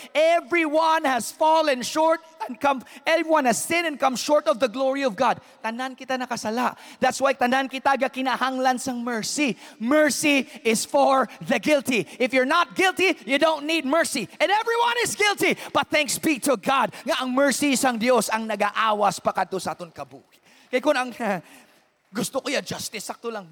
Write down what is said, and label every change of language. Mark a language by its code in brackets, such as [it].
[en] Everyone has fallen short and come, everyone has sinned and come short of the glory of God. [hil] Tanan kita nakasala. [en] That's why [hil] tanan kita ga kinahanglan sang mercy. [en] Mercy is for the guilty. If you're not guilty, you don't need mercy. And everyone is guilty. But thanks be to God. [hil] Nga ang mercy sang Dios ang nagaawas pakadto sa aton kabuhi. Kay kun ang gusto ko ya justice, sakto lang.